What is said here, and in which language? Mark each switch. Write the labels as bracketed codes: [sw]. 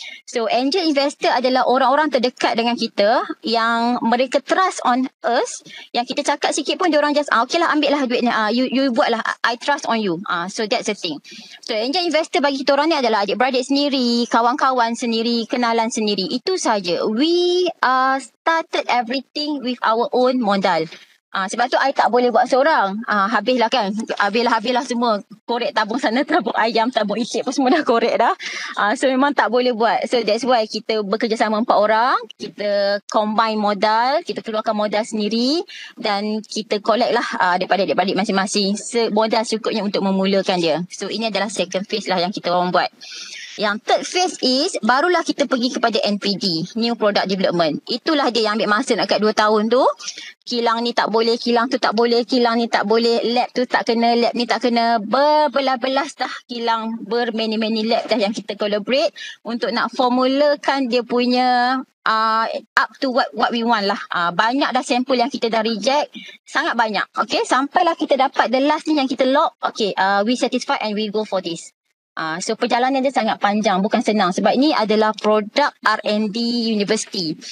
[ms] So, angel investor adalah orang-orang terdekat dengan kita yang mereka [en] trust on us. [ms] Yang kita cakap sikit pun, diorang just, okay lah, ambil lah duit ni. You buat lah, [en] I trust on you. So, that's the thing. [ms] So, angel investor bagi kita orang ni adalah adik-beradik sendiri, kawan-kawan sendiri, kenalan sendiri. Itu sahaja. [en] We are started everything with our own modal. [ms] Sebab tu I tak boleh buat seorang. Habislah kan. Habislah semua. Korek tabung sana, tabung ayam, tabung isik pun semua dah korek dah. So memang tak boleh buat. [en] So that's why [ms] kita bekerjasama 4 orang. Kita combine modal. Kita keluarkan modal sendiri. Dan kita collect lah daripada adik-adik masing-masing. Modal cukupnya untuk memulakan dia. So ini adalah second phase lah yang kita orang buat. Yang third phase is barulah kita pergi kepada NPD, new product development. Itulah dia yang ambil masa nak kat 2 tahun tu. Kilang ni tak boleh, kilang tu tak boleh, kilang ni tak boleh, lab tu tak kena, lab ni tak kena. Berbelas-belas dah kilang, bermany-many lab dah yang kita collaborate untuk nak formulakan dia punya [en] up to what we want [ms] lah. Banyak dah sampel yang kita dah reject, sangat banyak. Okay, sampailah kita dapat the last ni yang kita lock. [en] Okay, we satisfy and we go for this. [ms] So perjalanan dia sangat panjang, bukan senang. Sebab ini adalah produk R&D University.